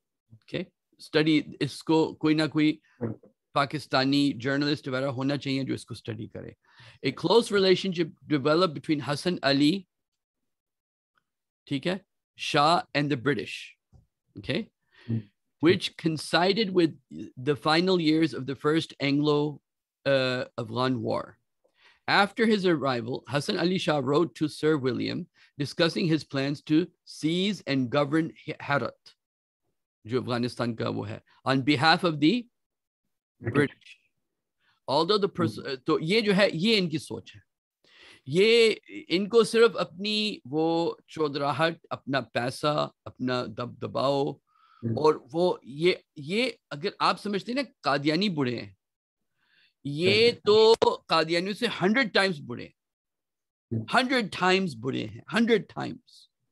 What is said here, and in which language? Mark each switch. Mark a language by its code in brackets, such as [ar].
[ur] Okay, study اس کو کوئی نہ کوئی پاکستانی جرنلسٹ وغیرہ ہونا چاہیے جو اس کو اسٹڈی کرے. [en] A close relationship developed between Hasan Ali, [ur] ٹھیک ہے, [en] Shah and the British, okay, which coincided with the final years of the first Anglo-Afghan war. After his arrival, Hasan Ali Shah wrote to Sir William discussing his plans to seize and govern Herat, [ur] جو افغانستان کا وہ ہے, [en] on behalf of the British. Although the person, [ur] تو یہ جو ہے یہ ان کی سوچ ہے, یہ ان کو صرف اپنی وہ چودراہٹ, اپنا پیسہ, اپنا دباؤ, اور وہ یہ اگر آپ سمجھتے ہیں نا قادیانی بڑے ہیں, یہ تو قادیانیوں سے 100 times بڑے ہیں, 100 times بڑے ہیں, 100 times.